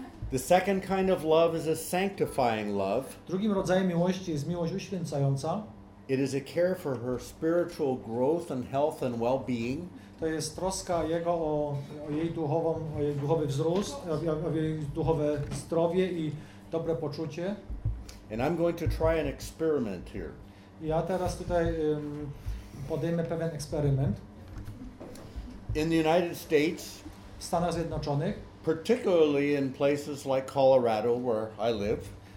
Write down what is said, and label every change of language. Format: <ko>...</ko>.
<en>The second kind of love is a sanctifying love.</en> <pl>Drugim rodzajem miłości jest miłość uświęcająca.</pl> <en>It is a care for her spiritual growth and health and well-being.</en> <pl>To jest troska jego o jej duchowy wzrost, o jej duchowe zdrowie i dobre poczucie.</pl> <en>And I'm going to try an experiment here.</en> <pl>Ja teraz tutaj podejmę pewien eksperyment.</pl> <en>In the United States,</en> <pl>w Stanach Zjednoczonych,</pl> <en>particularly in places like Colorado where I live,</en>